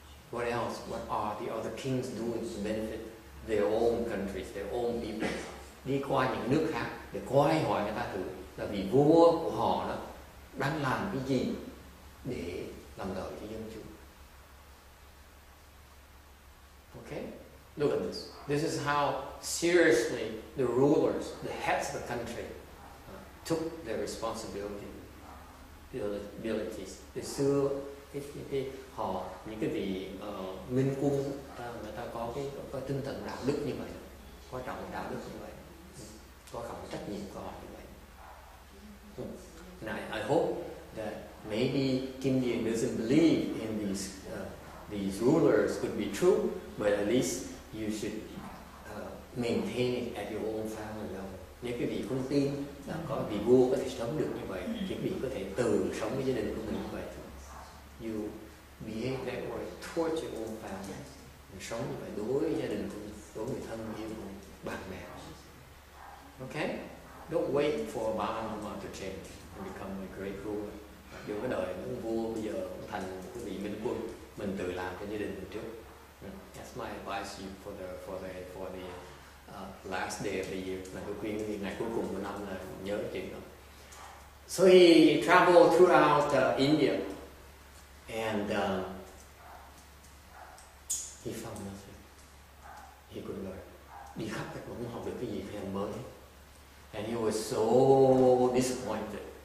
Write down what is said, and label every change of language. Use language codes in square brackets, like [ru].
[en] What else, what are the other kings doing to benefit their own countries, their own people? [vi] Đi qua những nước khác để coi hỏi người ta thử là vì vua của họ đó đang làm cái gì để làm lợi cho dân chúng. [en] Okay, look at this. This is how seriously the rulers, the heads of the country, took their responsibility, abilities. [vi] Từ xưa, họ những cái vị minh quân, người ta có tinh thần đạo đức như vậy, có trọng đạo đức như vậy, có trọng trách nhiệm của họ như vậy. [en] Now, I hope that maybe Kim Điền doesn't believe in these rulers could be true, but at least you should maintain it at your own family level. [vi] Nếu quý vị không tin là có vị vua có thể sống được như vậy, quý vị có thể tự sống với gia đình của mình như vậy. [en] You behave that way towards your own family. [vi] Mình sống như vậy đối với gia đình của mình, đối với thân yêu của mình, bạn bè. [en] Okay? Don't wait for a Bahama to change and become a great ruler. [vi] Dù cái đời ông vua bây giờ cũng thành một cái vị minh quân, mình tự làm cho gia đình mình trước. [en] That's my advice you for the last day of the year. [vi] Là tôi khuyên cái ngày cuối cùng của năm là nhớ chuyện đó. [en] So he traveled throughout India and he found nothing. He could learn. [vi] Đi khắp các cũng không học được cái gì thêm mới. [en] And he was so disappointed.